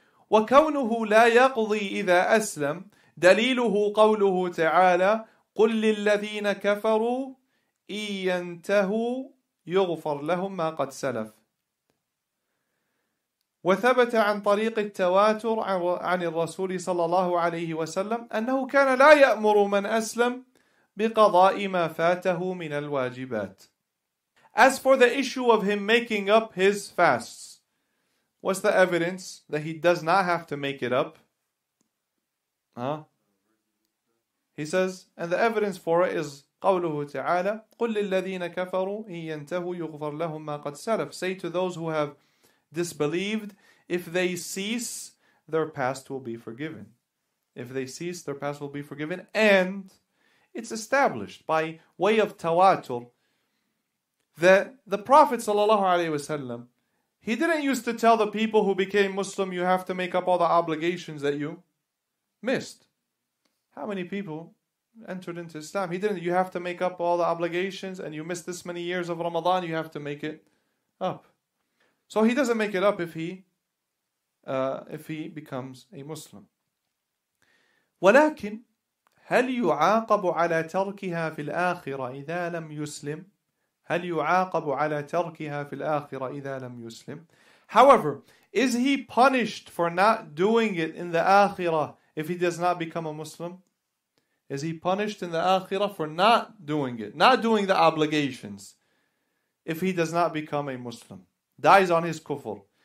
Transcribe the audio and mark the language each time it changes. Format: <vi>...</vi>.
<ar>وَكَوْنُهُ لَا يَقْضِي إِذَا أَسْلَمْ دَلِيلُهُ قَوْلُهُ تَعَالَى قُلْ لِلَّذِينَ كَفَرُوا إِنْ يَنْتَهُوا يُغْفَرْ لَهُمْ مَا قَدْ سَلَفْ وثبت عن طريق التواتر عن الرسول صلى الله عليه وسلم أنه كان لا يأمر من أسلم بقضاء ما فاته من الواجبات.</ar> <en>As for the issue of him making up his fasts, what's the evidence that he does not have to make it up? He says, and the evidence for it is</en> <ar>قوله تعالى قل للذين كفروا إن ينتهوا يغفر لهم ما قد سلف.</ar> <en>Say to those who have disbelieved, if they cease, their past will be forgiven. If they cease, their past will be forgiven. And it's established by way of tawatur that the Prophet ﷺ, he didn't used to tell the people who became Muslim, you have to make up all the obligations that you missed. How many people entered into Islam? He didn't, you have to make up all the obligations and you missed this many years of Ramadan, you have to make it up. So he doesn't make it up if he becomes a Muslim.</en> <ar>ولكن هل يعاقب على تركها في الآخرة إذا لم يسلم؟ هل يعاقب على تركها في الآخرة إذا لم يسلم؟</ar> <en>However, is he punished for not doing it in the Akhirah if he does not become a Muslim? Is he punished in the Akhirah for not doing it, not doing the obligations, if he does not become a Muslim, dies on his kufr?</en>